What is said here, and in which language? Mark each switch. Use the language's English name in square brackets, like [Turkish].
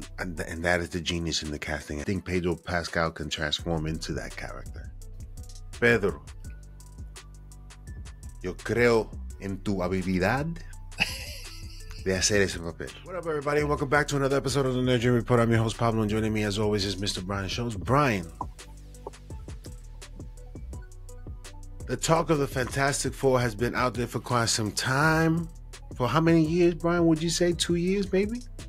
[English] And that is the genius in the casting. I think Pedro Pascal can transform into that character. [Spanish] Pedro, yo creo en tu habilidad de hacer ese papel. [English] What up, everybody? Welcome back to another episode of the NerdGen Report. I'm your host, Pablo, and joining me, as always, is Mr. Brian Shows. Brian, the talk of the Fantastic Four has been out there for quite some time. For how many years, Brian, would you say? 2 years, maybe?